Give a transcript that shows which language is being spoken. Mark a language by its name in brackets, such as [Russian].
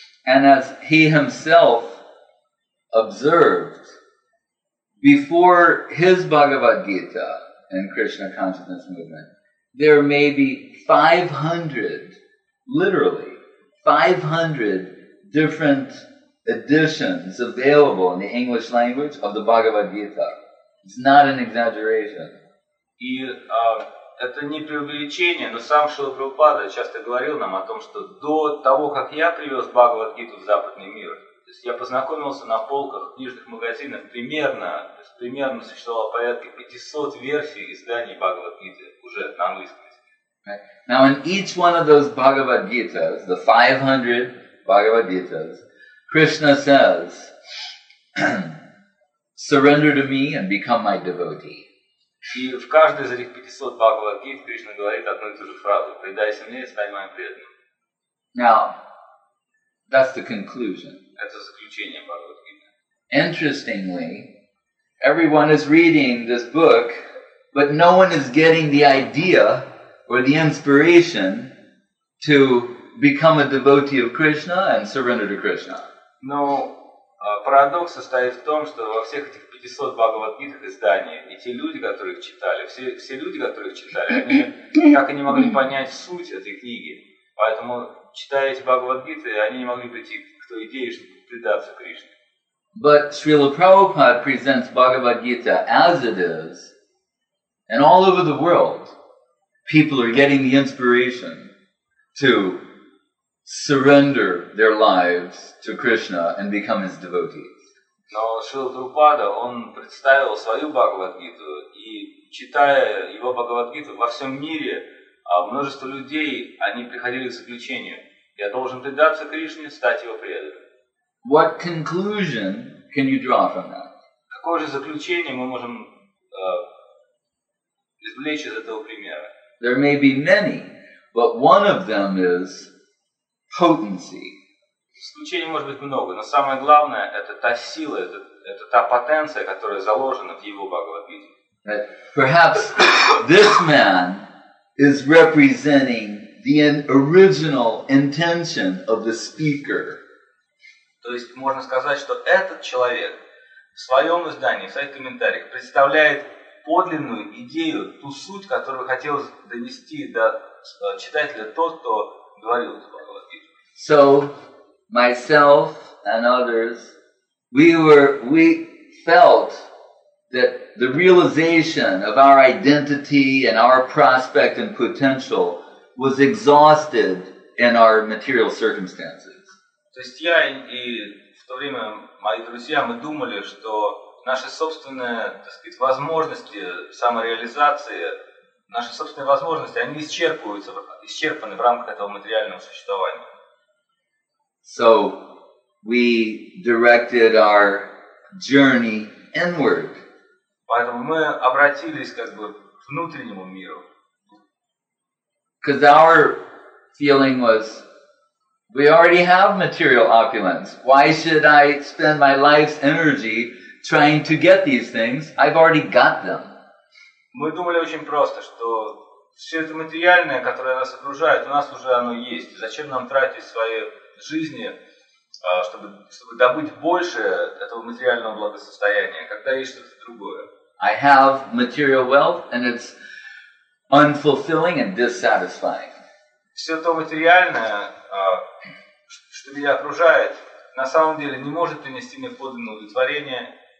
[English] And as he himself observed, before his Bhagavad-gita and Krishna consciousness movement, there may be 500, literally, 500 different editions available in the English language of the Bhagavad Gita. It's not an exaggeration. [Russian] И это не преувеличение, но сам Шрила Прабхупада часто говорил нам о том, что до того, как я привез Бхагавад Гиту в западный мир, то есть я познакомился на полках книжных магазинов примерно существовало порядка 500 версий изданий Бхагавад Гиты уже на английском языке. [English] Now in each one of those Bhagavad Gitas, the 500 Bhagavad Gitas, Krishna says, surrender to me and become my devotee. [Russian] И в каждой из этих 500 Бхагавад-гит Кришна говорит одну и ту же фразу: предайся мне и стань моим преданным. [English] Now, that's the conclusion. [Russian] Это заключение Бхагавад-гиты. [English] Interestingly, everyone is reading this book, but no one is getting the idea or the inspiration to become a devotee of Krishna and surrender to Krishna. [Russian] Но парадокс состоит в том, что во всех этих 500 Бхагавад-гитах изданий, и те люди, которые их читали, все люди, которые их читали, они так и не могли понять суть этой книги. Поэтому, читая эти Бхагавад-гиты, они не могли прийти к той идее, чтобы предаться Кришне. [English] But Srila Prabhupada presents Bhagavad-gita as it is, and all over the world, people are getting the inspiration to surrender their lives to Krishna and become his devotees. [Russian] Но Шрила Прабхупада, он представил свою Бхагавад-гиту, и читая его Бхагавад-гиту, во всем мире множество людей, они приходили к заключению: я должен предаться Кришне, стать его преданным. [English] What conclusion can you draw from that? [Russian] Какое же заключение мы можем извлечь из этого примера? [English] There may be many, but one of them is potency. [Russian] Исключений может быть много, но самое главное – это та сила, это та потенция, которая заложена в его Бхагавад-гите. [English] Perhaps this man is representing the original intention of the speaker. [Russian] То есть можно сказать, что этот человек в своем издании, в своих комментариях представляет подлинную идею, ту суть, которую хотел донести до читателя тот, кто говорил эту Бхагавад-гиту. [English] So, myself and others, we felt that the realization of our identity and our prospect and potential was exhausted in our material circumstances. [Russian] То есть я и в то время мои друзья, мы думали, что наши собственные, так сказать, возможности самореализации, наши собственные возможности, они исчерпаны в рамках этого материального существования. [English] So we directed our journey inward. [Russian] Поэтому мы обратились как бы к внутреннему миру. [English] Because our feeling was, we already have material opulence. Why should I spend my life's energy trying to get these things? I've already got them. [Russian] Мы думали очень просто, что все это материальное, которое нас окружает, у нас уже оно есть. Зачем нам тратить свои жизни, чтобы добыть больше этого материального благосостояния, когда есть что-то другое? [English] I have material wealth, and it's unfulfilling and dissatisfying. [Russian] Все то материальное, что меня окружает, на самом деле не может принести мне подлинное удовлетворение.